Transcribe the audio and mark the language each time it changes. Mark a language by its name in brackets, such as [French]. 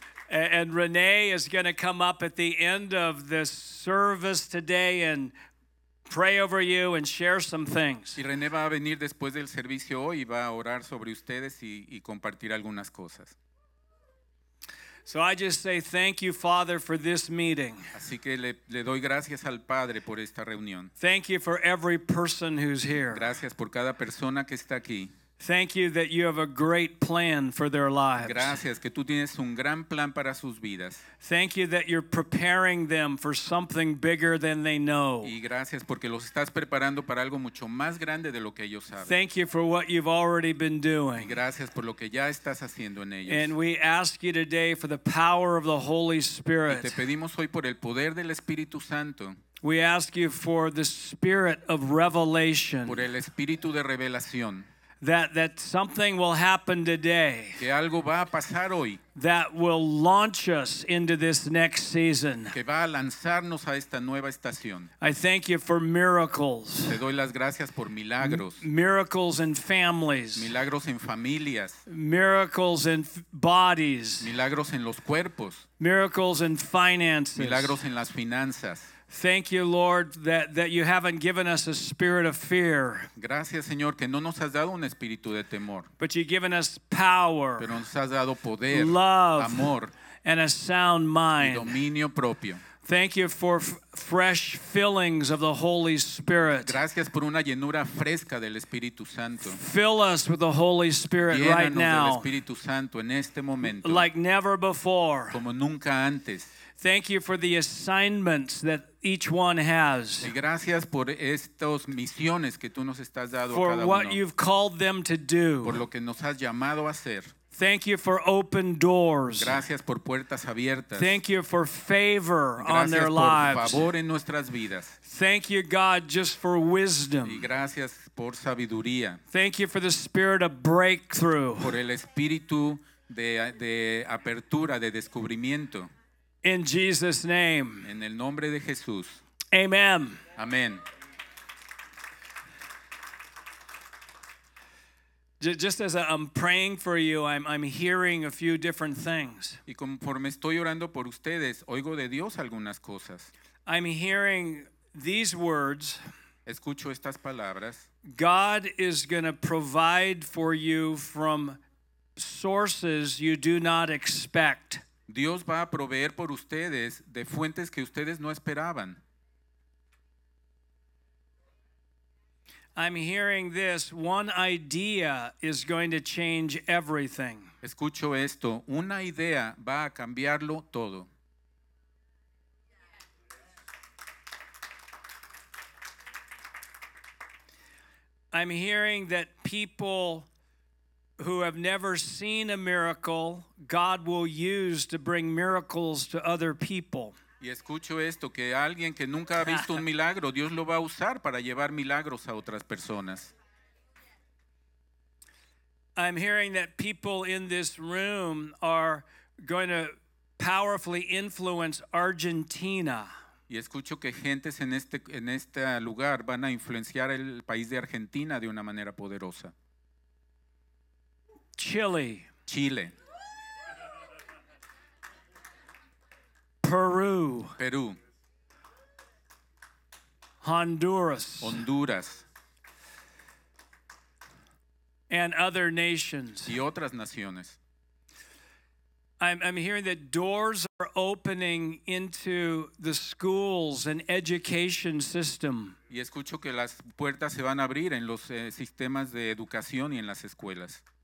[English] And Renee is going to come up at the end of this service today and pray over you and share some things. [Spanish] Y Renee va a venir después del servicio hoy y va a orar sobre ustedes y compartir algunas cosas. [English] So I just say thank you, Father, for this meeting. [Spanish] Así que le doy gracias al Padre por esta reunión. [English] Thank you for every person who's here. [Spanish] Gracias por cada persona que está aquí. [English] Thank you that you have a great plan for their lives. [Spanish] Gracias que tú tienes un gran plan para sus vidas. [English] Thank you that you're preparing them for something bigger than they know. [Spanish] Y gracias porque los estás preparando para algo mucho más grande de lo que ellos saben. [English] Thank you for what you've already been doing. [Spanish] Y gracias por lo que ya estás haciendo en ellos. [English] And we ask you today for the power of the Holy Spirit. [Spanish] Y te pedimos hoy por el poder del Espíritu Santo. [English] We ask you for the Spirit of Revelation. [Spanish] Por el Espíritu de Revelación. [English] That something will happen today. [Spanish] Que algo va a pasar hoy. [English] That will launch us into this next season. [Spanish] Que va a lanzarnos a esta nueva estación. [English] I thank you for miracles. [Spanish] Te doy las gracias por milagros. [English] Miracles in families. [Spanish] Milagros en familias. [English] Miracles in bodies. [Spanish] Milagros en los cuerpos. [English] Miracles in finances. [Spanish] Milagros en las finanzas. [English] Thank you, Lord, that you haven't given us a spirit of fear. [Spanish] Gracias, Señor, que no nos has dado un espíritu de temor. [English] But you've given us power. [Spanish] Pero nos has dado poder, [English] love, [Spanish] amor, [English] and a sound mind. [Spanish] Y dominio propio. [English] Thank you for fresh fillings of the Holy Spirit. [Spanish] Gracias por una llenura fresca del Espíritu Santo. [English] Fill us with the Holy Spirit [Spanish] Llénanos [English] right now. [Spanish] Del Espíritu Santo en este momento. [English] Like never before. [Spanish] Como nunca antes. [English] Thank you for the assignments that each one has. [Spanish] Y gracias por estas misiones que tú nos estás dando a cada [English] For what you've called them to do. [Spanish] Por lo que nos has llamado a hacer. [English] Thank you for open doors. [Spanish] Gracias por puertas abiertas. [English] Thank you for favor [Spanish] gracias [English] on their lives. [Spanish] Gracias por favor en nuestras vidas. [English] Thank you, God, just for wisdom. [Spanish] Y gracias por sabiduría. [English] Thank you for the spirit of breakthrough. [Spanish] Por el espíritu de apertura, de descubrimiento. [English] In Jesus' name. [Spanish] En el nombre de Jesús. [English] Amen. [Spanish] Amen. [English] Just as I'm praying for you, I'm hearing a few different things. [Spanish] Y conforme estoy orando por ustedes, oigo de Dios algunas cosas. [English] I'm hearing these words. [Spanish] Escucho estas palabras. [English] God is going to provide for you from sources you do not expect. [Spanish] Dios va a proveer por ustedes de fuentes que ustedes no esperaban. [English] I'm hearing this. One idea is going to change everything. [Spanish] Escucho esto. Una idea va a cambiarlo todo. [English] I'm hearing that people who have never seen a miracle, God will use to bring miracles to other people. [Spanish] Y escucho esto, que alguien que nunca ha visto un milagro, Dios lo va a usar para llevar milagros a otras personas. [English] I'm hearing that people in this room are going to powerfully influence Argentina. [Spanish] Y escucho que gentes en este lugar van a influenciar el país de Argentina de una manera poderosa. [English] Chile. [Spanish] Chile. [English] Peru. [Spanish] Perú. [English] Honduras. [Spanish] Honduras. [English] And other nations. [Spanish] Y otras naciones. [English] I'm hearing that doors are opening into the schools and education system. [Spanish] Y escucho que las puertas se van a abrir en los sistemas de educación y en las escuelas.